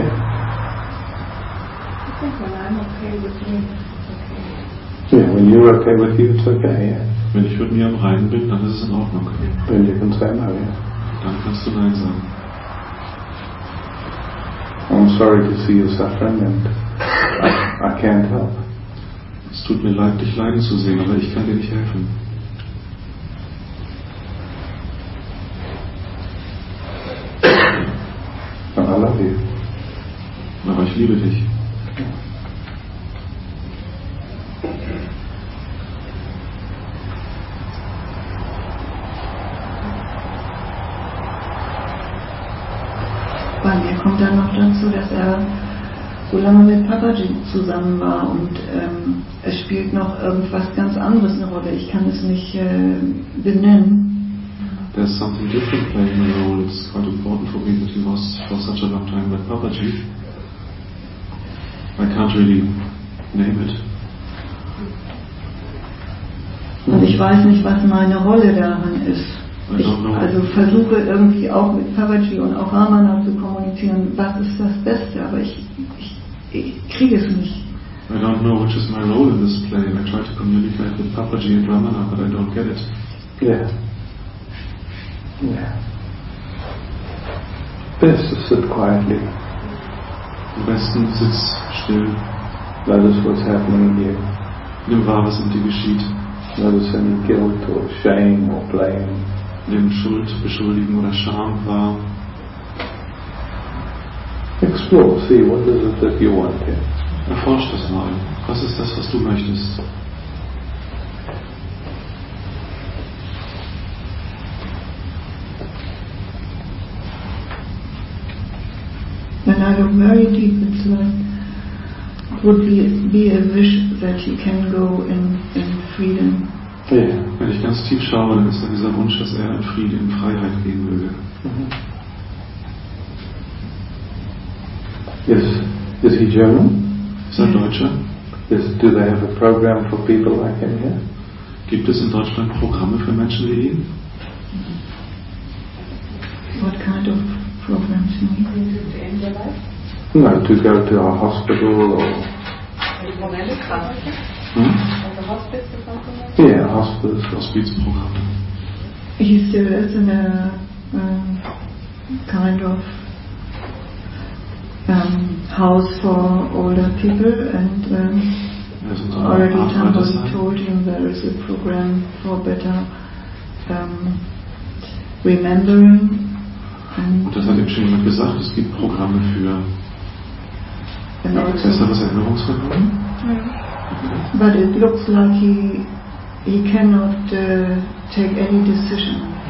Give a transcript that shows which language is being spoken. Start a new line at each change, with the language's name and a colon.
English: I think when I'm okay with me, it's okay. Yeah, when you're okay with you, it's okay, yeah.
German: Wenn ich mit mir im Reinen bin, dann ist es in Ordnung.
English: Then you can say no, yeah.
German: Dann kannst du nein sagen.
English: I'm sorry to see you suffering and I can't help.
German: Es tut mir leid, dich leiden zu sehen, aber ich kann dir nicht helfen. Aber ich liebe dich. Bei mir kommt dann noch dazu, dass er so lange mit Papaji zusammen war und es spielt noch irgendwas ganz anderes eine Rolle. Ich kann es nicht benennen.
English: There's something different playing a role. It's quite important for me that he was for such a long time with Papaji. I can't really name it.
German: Und ich weiß nicht, was meine Rolle darin ist. Also versuche irgendwie auch mit Papaji und auch Ramana zu kommunizieren. Was ist das Beste? Aber ich kriege es nicht.
English: I don't know which is my role in this play. I try to communicate with Papaji and Ramana, but I don't get it. Yeah. Yeah. Best to sit quietly.
German: Am besten sitz still.
English: That is what's happening here.
German: Nimm wahr, was in dir geschieht.
English: That is any guilt or shame or blame.
German: Nimm Schuld, Beschuldigung oder Scham wahr.
English: Explore, see, what is it that you want here?
German: Erforsch das mal. Was ist das, was du möchtest?
English: And I don't very deep inside would be a wish that you can go in freedom. Yeah.
German: Wenn ich ganz tief schaue, dann ist dann dieser Wunsch, dass er in Frieden, in Freiheit gehen möge.
English: Yes. Is he German?
German: Ist er Deutscher?
English: Yes. Do they have a program for people like him here?
German: Gibt es in Deutschland Programme für Menschen wie ihn?
English: What kind of programs do you need? No, to go to a hospital or... Hmm? Yeah, hospice program. He still is in a kind of house for older people and already Tamboli told him there is a program for better remembering.
German: Und das hat ihm schon jemand gesagt, es gibt Programme für besseres Erinnerungsvermögen.
English: But it looks like he cannot take any decision.